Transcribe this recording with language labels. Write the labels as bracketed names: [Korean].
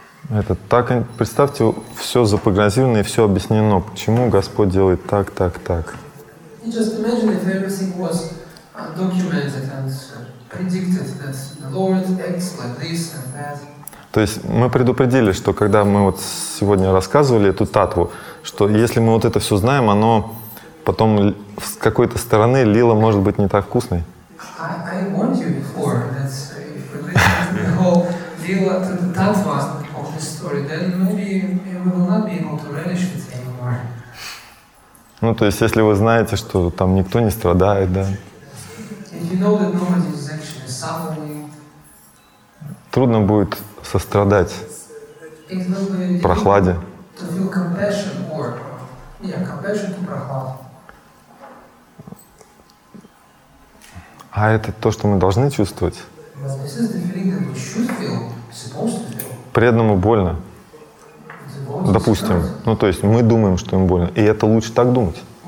[Russian] Это так, представьте, все запрограммировано и все объяснено, почему Господь делает так, так, так. [English] You just imagine if everything was documented and predicted that the Lord acts like this and that. [Russian] То есть мы предупредили, что когда мы вот сегодня рассказывали эту татву, что если мы вот это все знаем, оно потом с какой-то стороны Лила может быть не так вкусной. [English] I warned you before that if we listen to the whole Lila to the татва, story, then maybe we will not be able to relish it anymore. [Russian] Ну, то есть, если вы знаете, что там никто не страдает, да? [English] If you know that nobody is actually suffering, [Russian] трудно будет сострадать [English] it will be [Russian] прохладе. [English] To feel compassion or, yeah, compassion to прохлад. [Russian] А это то, что мы должны чувствовать? [English] This is the feeling that we should feel, supposed to feel. [Russian] Преданному больно, допустим, ну то есть мы думаем, что ему больно, и это лучше так думать.